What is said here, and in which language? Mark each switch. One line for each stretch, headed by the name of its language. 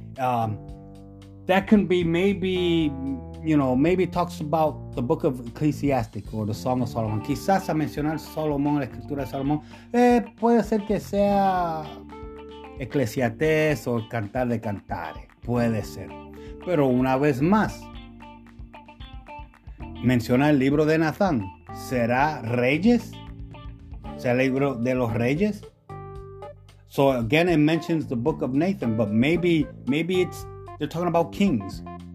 English: That can be maybe, you know, maybe talks about the book of Ecclesiastic or the Song of Solomon.
Spanish: Quizás a mencionar Solomón, la escritura de Salomón, puede ser que sea Eclesiastés o Cantar de Cantares. Puede ser. Pero una vez más, menciona el libro de Natán. ¿Será Reyes? ¿Será el libro de los Reyes?
English: So again, it mentions the book of Nathan, but maybe it's, they're talking about kings.